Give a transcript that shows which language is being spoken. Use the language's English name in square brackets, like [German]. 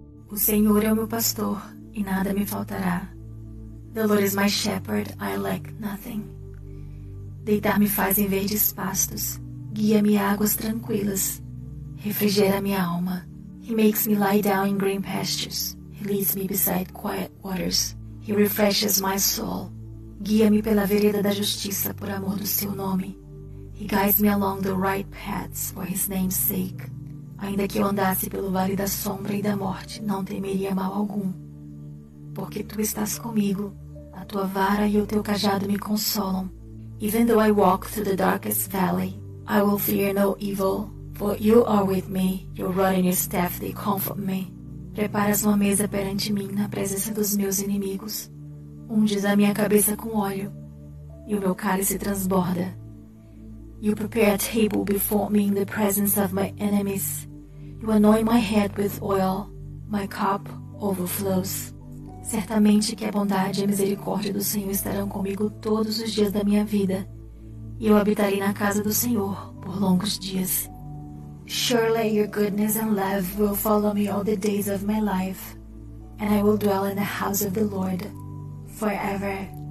[Portuguese] O Senhor é o meu pastor e nada me faltará. [English] The Lord is my shepherd, I lack nothing. [Portuguese] Deitar-me faz em verdes pastos, guia-me a águas tranquilas, refrigera minha alma. [English] He makes me lie down in green pastures, he leads me beside quiet waters, he refreshes my soul. [Portuguese] Guia-me pela vereda da justiça por amor do seu nome. [English] He guides me along the right paths for his name's sake. [Portuguese] Ainda que eu andasse pelo vale da sombra e da morte, não temeria mal algum. Porque tu estás comigo, a tua vara e o teu cajado me consolam. [English] Even though I walk through the darkest valley, I will fear no evil, for you are with me, your rod and your staff, they comfort me. [Portuguese] Preparas uma mesa perante mim na presença dos meus inimigos. Unges a minha cabeça com óleo, e o meu cálice transborda. [English] You prepare a table before me in the presence of my enemies. You anoint my head with oil. My cup overflows. [Portuguese] Certamente que a bondade e a misericórdia do Senhor estarão comigo todos os dias da minha vida. E eu habitarei na casa do Senhor por longos dias. [English] Surely your goodness and love will follow me all the days of my life. And I will dwell in the house of the Lord forever.